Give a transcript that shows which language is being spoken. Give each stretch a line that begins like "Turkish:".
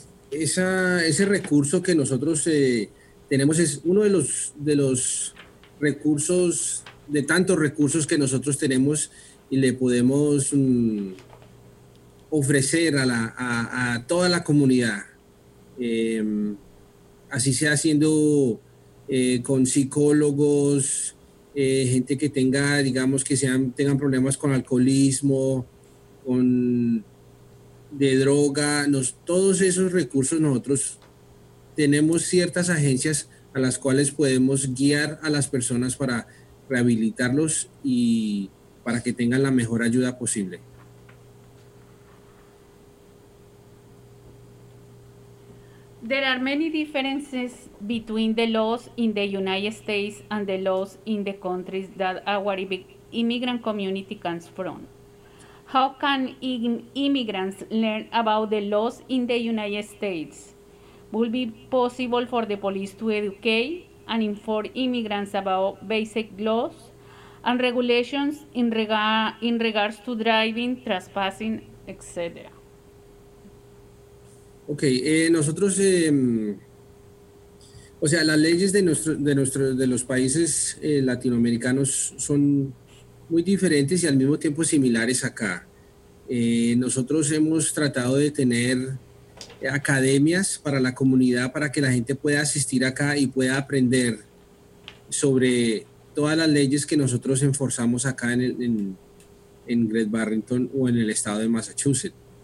Spanish: Ese recurso que nosotros tenemos es uno de los recursos, de tantos recursos que nosotros tenemos y le podemos ofrecer a toda la comunidad, así sea haciendo con psicólogos, gente que tenga, digamos, que tengan problemas con alcoholismo, de droga. Todos esos recursos nosotros tenemos ciertas agencias a las cuales podemos guiar a las personas para rehabilitarlos y para que tengan la mejor ayuda posible.
English: There are many differences between the laws in the United States and the laws in the countries that our immigrant community comes from. How can immigrants learn about the laws in the United States? Will it be possible for the police to educate and inform immigrants about basic laws and regulations in regards to driving, trespassing, etc.?
Spanish: Okay, nosotros, o sea, las leyes de los países latinoamericanos son muy diferentes y al mismo tiempo similares acá. Nosotros hemos tratado de tener academias para la comunidad para que la gente pueda asistir acá y pueda aprender sobre todas las leyes que nosotros enforzamos acá en Great Barrington o en el estado de Massachusetts.